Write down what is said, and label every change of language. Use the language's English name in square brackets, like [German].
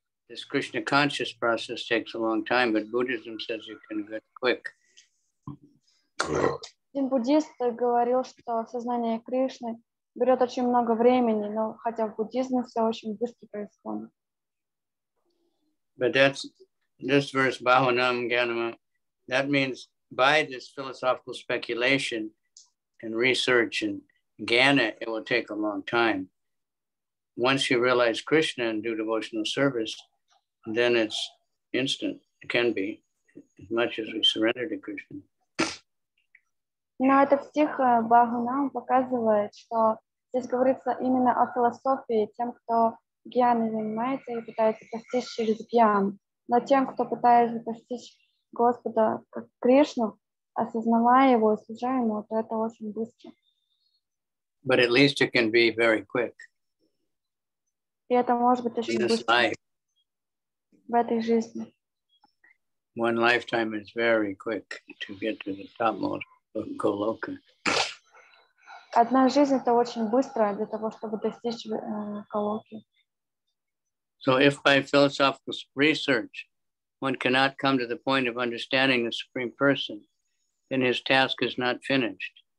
[English] This Krishna conscious process takes a long time, but Buddhism says you can get quick. [Russian] Один буддист говорил, что сознание Кришны берет очень много времени, но хотя в буддизме все очень быстро происходит. [English] But that's this verse, [Sanskrit] Bahunam Ganama, [English] that means by this philosophical speculation and research and Gana, it will take a long time. Once you realize Krishna and do devotional service, then it's instant, it can be, as much as we surrender to Krishna. [Russian] Но этот стих Бхагаватам показывает, что здесь говорится именно о философии, тем, кто гьяной занимается и пытается постичь через гьяну. Но тем, кто пытается постичь Господа как Кришну, осознавая его и служа ему, то это очень быстро. [English] But at least it can be very quick. [Russian] И это может быть очень быстро. В этой жизни. [English] One lifetime is very quick to get to the topmost of Goloka. [Russian] Одна жизнь — это очень быстро для того, чтобы достичь Галоки. [English] So if by philosophical research one cannot come to the point of understanding the Supreme Person, then his task is not finished.